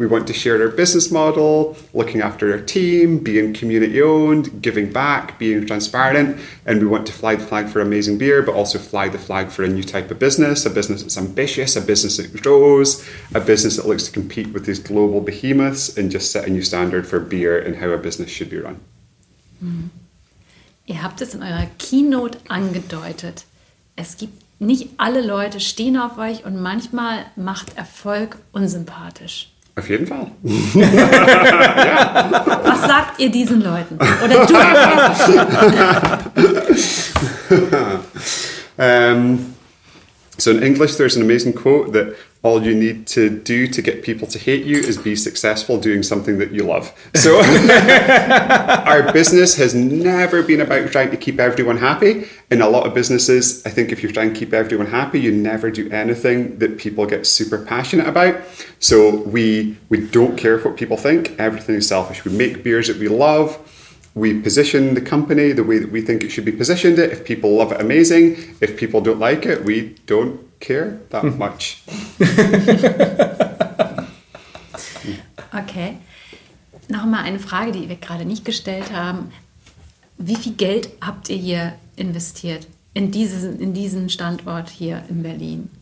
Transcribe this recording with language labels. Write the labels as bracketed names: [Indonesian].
[English] We want to share our business model, looking after our team, being community owned, giving back, being transparent, and we want to fly the flag for amazing beer, but also fly the flag for a new type of business, a business that's ambitious, a business that grows, a business that looks to compete with these global behemoths and just set a new standard for beer and how a business should be run. [German] Mm. Ihr habt es in eurer Keynote angedeutet. Es gibt nicht alle Leute stehen auf euch und manchmal macht Erfolg unsympathisch. Auf jeden Fall. Ja. Was sagt ihr diesen Leuten? Oder du? [English] So in English, there's an amazing quote that all you need to do to get people to hate you is be successful doing something that you love. So our business has never been about trying to keep everyone happy. In a lot of businesses, I think if you're trying to keep everyone happy, you never do anything that people get super passionate about. So we don't care what people think. Everything is selfish. We make beers that we love. We position the company the way that we think it should be positioned. If people love it, amazing. If people don't like it, we don't care that much. Okay. [German] Nochmal eine Frage, die wir gerade nicht gestellt haben. Wie viel Geld habt ihr hier investiert in diesen Standort hier in Berlin?